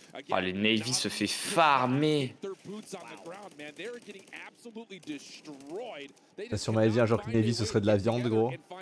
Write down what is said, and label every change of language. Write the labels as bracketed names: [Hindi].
[French] Oh, les Navy se fait farmer. [English] boots on the ground, man. They are getting absolutely destroyed. [French] T'as sûrement dit un jour que Navy ce serait de la viande, gros.